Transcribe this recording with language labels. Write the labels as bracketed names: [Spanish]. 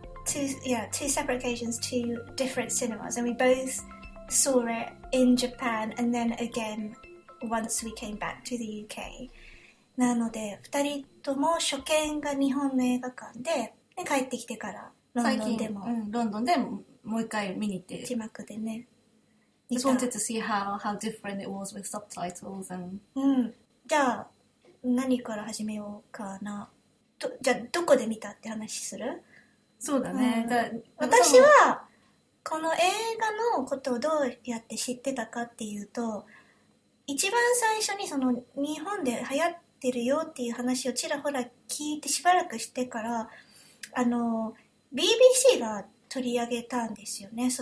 [English] Two separate occasions, two different cinemas, and we both saw it in Japan, and then again once we came back to the UK. [Japanese] なので、二人とも初見が日本の映画館で、ね、帰ってきてからロンドンでも、ロンドンでもう一回見に行って、字幕でね。 [English] Just wanted to see how different it was with subtitles and. [Japanese] じゃあ何から始めようかな。じゃあどこで見たって話する？そうだね、私はこの映画のことをどうやって知ってたかっていうと、一番最初にその日本で流行ってるよっていう話をちらほら聞いて、しばらくしてからBBC が取り上げたんですよね。